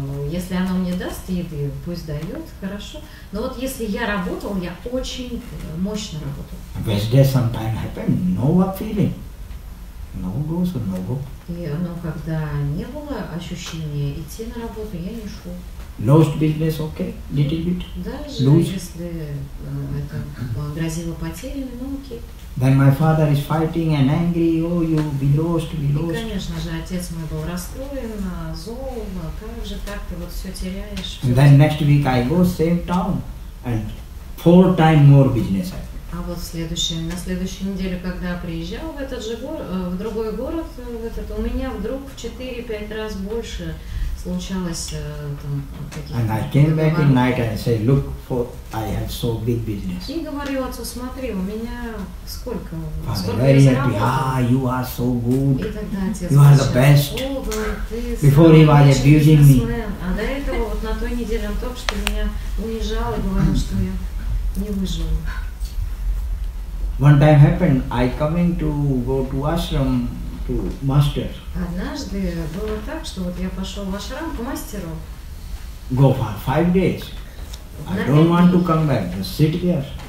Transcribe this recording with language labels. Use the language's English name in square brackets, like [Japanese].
[Russian] Если оно мне даст еды, пусть дает, хорошо. Но вот если я работал, я очень мощно работал. [English] Best day sometime happened, no work feeling. No goes or no go. [Russian] Но когда не было ощущения идти на работу, я не шел. [English] Lost business, okay, little bit. [Russian] Даже [English] lose. [Russian] Если это грозило потерями, ну окей. [English] Then my father is fighting and angry, oh, you be lost, be lost. [Russian] И, конечно же, отец мой был расстроен, зол, как же так, ты вот все теряешь. [English] And then next week I go, same town, and 4 times more business happened. [Russian] А вот на следующей неделе, когда приезжал в этот же в другой город, в этот, у меня вдруг в 4-5 раз больше случалось там таких... [English] And I came back in night and say, look, I had so big business. [Russian] И говорил отцу, смотри, у меня сколько, [English] very happy, you are so good. [Russian] И тогда отец, [English] you are the best. [Russian] О, говорит, [English] before he was abusing me. [Russian] А до этого вот на той неделе он только что меня унижал и говорил, что я не выживу. [English] One time happened, I coming to go to ashram to master. [Russian] Однажды было так, что вот я пошел в ашрам к мастеру. [English] Go for 5 days. I don't want to come back, just sit here.